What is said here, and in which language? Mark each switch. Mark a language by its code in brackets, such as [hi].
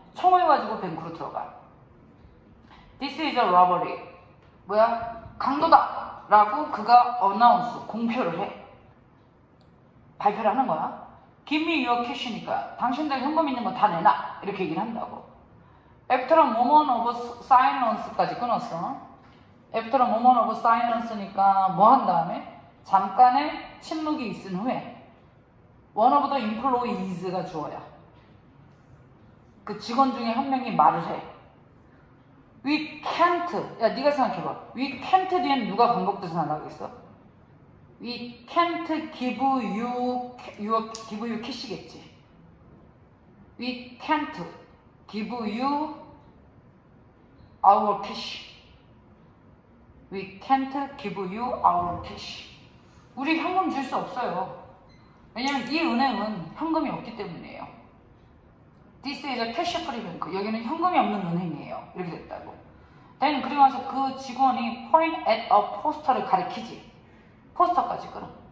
[ko] 총을 가지고 뱅크로 들어가. [en] This is a robbery. [ko] 뭐야? 강도다! 라고 그가 어나운스, 공표를 해. 발표를 하는 거야. [en] Give me your cash [ko] 니까 당신들 현금 있는 거다 내놔. 이렇게 얘기를 한다고. [en] After a moment of silence까지 끊었어. After a moment of silence [ko] 니까 뭐한 다음에? 잠깐의 침묵이 있은 후에 [en] one of the employees [ko] 가 주어야. 그 직원 중에 한 명이 말을 해. [en] We can't. [ko] 야, 네가 생각해봐. We can't 뒤엔 누가 반복돼서 나가겠어? [en] We can't give you cash겠지. We can't give you our cash. We can't give you our cash. [ko] 우리 현금 줄수 없어요. 왜냐면 이 은행은 현금이 없기 때문이에요. [en] This is a cash free bank. [ko] 여기는 현금이 없는 은행이에요. 이렇게 됐다고. Then 그리고 나서 그 직원이 [en] point at a poster [ko] 를 가리키지. 포스터까지 끌어.